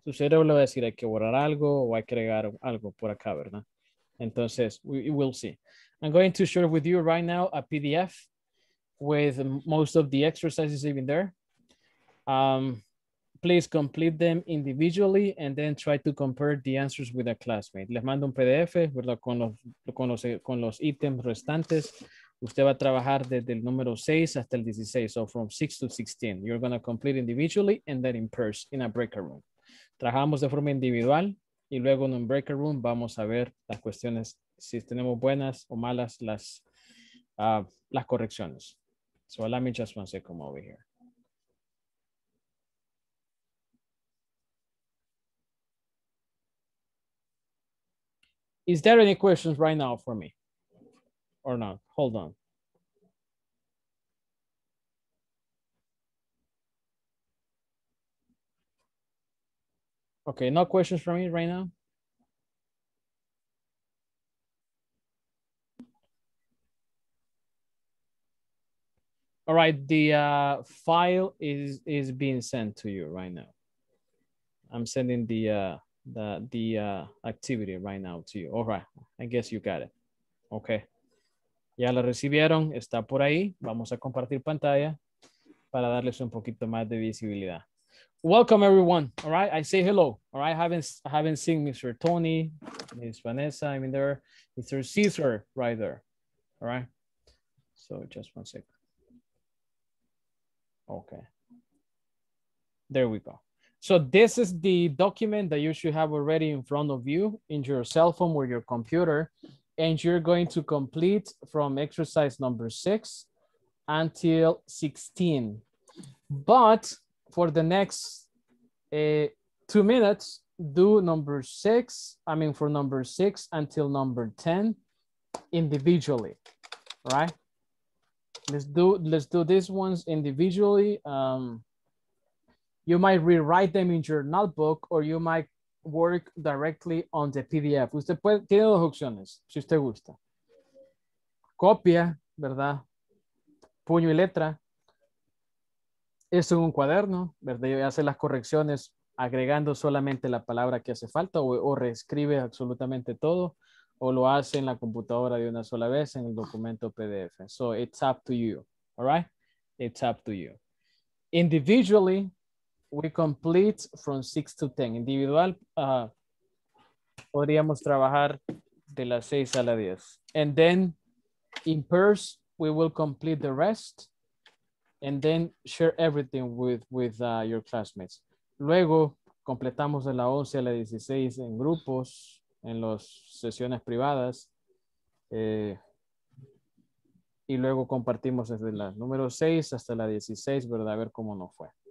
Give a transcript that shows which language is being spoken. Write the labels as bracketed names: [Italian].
[Spanish] Su cerebro le va a decir hay que borrar algo o hay que agregar algo por acá, ¿verdad? Entonces, [English] we will see. I'm going to share with you right now a PDF with most of the exercises even there. Please complete them individually and then try to compare the answers with a classmate. [Spanish] Les mando un PDF, ¿verdad? Con los ítems restantes. Usted va a trabajar desde el número 6 hasta el 16. [English] So from 6 to 16. You're going to complete individually and then in person in a breakout room. [Spanish] Trabajamos de forma individual y luego en un breakout room vamos a ver las cuestiones, si tenemos buenas o malas las correcciones. [English] So let me just one second over here. Is there any questions right now for me or not? Hold on. Okay, no questions for me right now. All right, the file is being sent to you right now. I'm sending the activity right now to you. All right, I guess you got it. [Spanish] Okay. Ya la recibieron, está por ahí. Vamos a compartir pantalla para darles un poquito más de visibilidad. [English] Welcome everyone, all right? I say hello, all right? I haven't seen Mr. Tony, Ms. Vanessa, I mean there, Mr. Caesar right there, all right? So just one second. Okay. There we go. So this is the document that you should have already in front of you in your cell phone or your computer, and you're going to complete from exercise number 6 until 16. But for the next 2 minutes, do number 6, I mean for number 6 until number 10 individually, right? Let's do these ones individually. You might rewrite them in your notebook or you might work directly on the PDF. [Spanish] Usted puede, tiene dos opciones, si usted gusta. Copia, ¿verdad? Puño y letra. Esto es un cuaderno, ¿verdad? Y hace las correcciones agregando solamente la palabra que hace falta o reescribe absolutamente todo o lo hace en la computadora de una sola vez en el documento PDF. [English] So it's up to you, all right? It's up to you. Individually, we complete from 6 to 10. Individual, [Spanish] podríamos trabajar de las 6 a las 10. [English] And then in pairs, we will complete the rest and then share everything with your classmates. [Spanish] Luego, completamos de la 11 a la 16 en grupos, en las sesiones privadas. Y luego compartimos desde la número 6 hasta la 16, ¿verdad? A ver cómo nos fue.